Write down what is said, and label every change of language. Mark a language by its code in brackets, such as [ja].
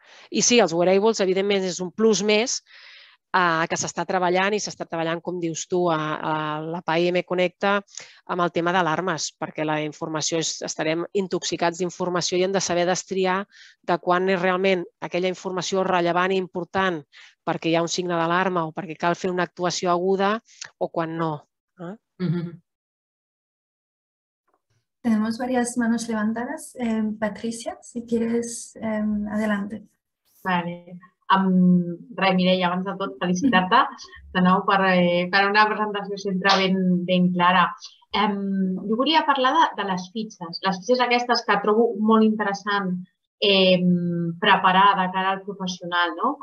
[ca] I sí, els wearables, evidentment, és un plus més que s'està treballant i s'està treballant, com dius tu, a l'APAI M Connecta amb el tema d'alarmes, perquè la informació estarem intoxicats d'informació i hem de saber destriar de quan és realment aquella informació rellevant i important perquè hi ha un signe d'alarma o perquè cal fer una actuació aguda o quan no. [es] Tenemos varias manos levantadas. Patricia, si quieres, adelante. Vale. [ca] Res, Mireia, abans de tot, felicitar-te de nou per una presentació sempre ben clara. Jo volia parlar de les fitxes. Les fitxes aquestes que trobo molt interessant preparar de cara al professional, no?